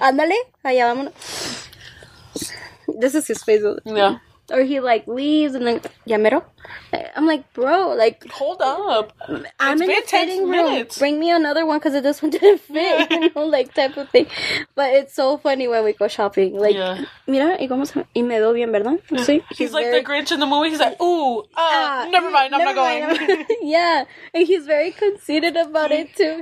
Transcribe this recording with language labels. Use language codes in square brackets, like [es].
[es] Ándale, allá vámonos. [en] This is his face. Yeah. Or he, like, leaves and then, [es] ya mero. [en] I'm like, bro, like... Hold up. I'm in the fitting room. Bring me another one because this one didn't fit. You know, like, type of thing. But it's so funny when we go shopping. [es] Like, mira, y como se me doy bien, ¿verdad? [en] He's like very, the Grinch in the movie. He's like, ooh, never mind, I'm not going. Yeah, and he's very conceited about it, too.